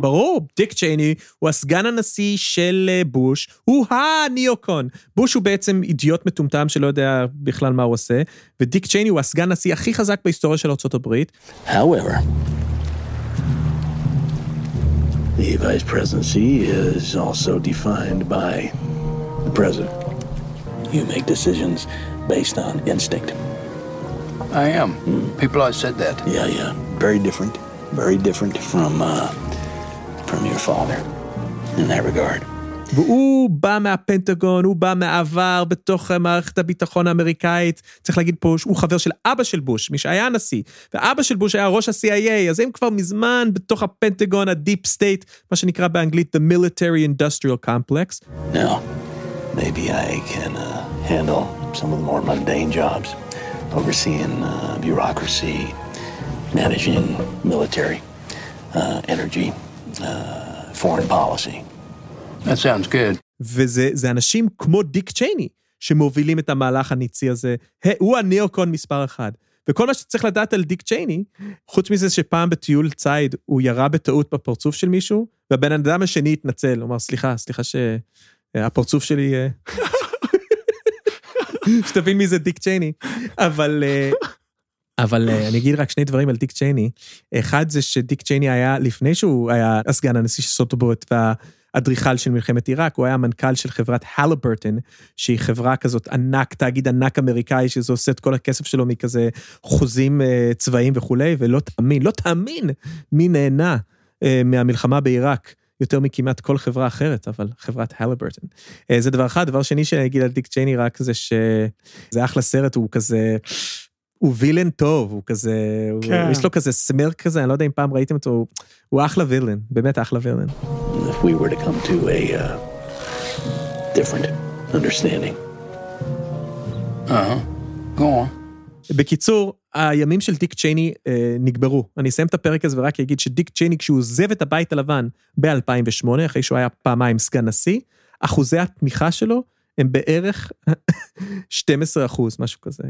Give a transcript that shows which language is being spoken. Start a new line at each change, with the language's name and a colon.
Hebrew: ברור, דיק צ'ייני הוא הסגן הנשיא של בוש, הוא הניוקון. בוש הוא בעצם אידיוט מטומטם שלא יודע בכלל מה הוא עושה, ודיק צ'ייני הוא הסגן הנשיא הכי חזק בהיסטוריה של ארצות הברית.
English: However, the vice presidency is also defined by the president. You make decisions based on instinct. I am. People always said that. Yeah, yeah. Very different. Very different from your father in that regard.
Hebrew: והוא בא מהפנטגון, הוא בא מעבר בתוך מערכת הביטחון האמריקאית, צריך להגיד פה שהוא חבר של אבא של בוש, מי שהיה נשיא, ואבא של בוש היה ראש ה-CIA, אז הם כבר מזמן בתוך הפנטגון, ה-Deep State, מה שנקרא באנגלית, The Military Industrial Complex.
English: Now, maybe I can handle some of the more mundane jobs, overseeing bureaucracy, managing military energy, foreign policy. That sounds good.
Hebrew: וזה אנשים כמו דיק צ'ייני שמובילים את המהלך הניצי הזה. הוא הניאוקון מספר אחד. וכל מה שצריך לדעת על דיק צ'ייני, חוץ מזה שפעם בטיול צייד הוא ירה בטעות בפרצוף של מישהו, והבן אדם השני התנצל, אומר, סליחה שהפרצוף שלי... שתבין מי זה דיק צ'ייני. אבל אני אגיד רק שני דברים על דיק צ'ייני. אחד זה שדיק צ'ייני היה, לפני שהוא היה הסגן הנשיא של סוטובורט וה... אדריכל של מלחמת עיראק, הוא היה מנכ״ל של חברת הליברטון, שהיא חברה כזאת ענק, תאגיד ענק אמריקאי, שזה עושה את כל הכסף שלו מכזה חוזים צבאיים וכו', ולא תאמין, לא תאמין מי נהנה מהמלחמה בעיראק, יותר מכמעט כל חברה אחרת, אבל חברת הליברטון. זה דבר אחד, דבר שני שאני אגיד על דיק צ'ייני רק, זה שזה אחלה סרט, הוא כזה... הוא וילן טוב, הוא כזה, כן. יש לו כזה סמרק כזה, אני לא יודע אם פעם ראיתם אותו, הוא אחלה וילן, באמת אחלה וילן.
English: If we were to come to a different understanding. Go on.
Hebrew: בקיצור, הימים של דיק צ'ייני נגברו. אני אסיים את הפרק הזה ורק אגיד שדיק צ'ייני, כשהוא עוזב את הבית הלבן ב-2008, אחרי שהוא היה פעמיים סגן נשיא, אחוזי התמיכה שלו, הם בערך 12%, משהו כזה.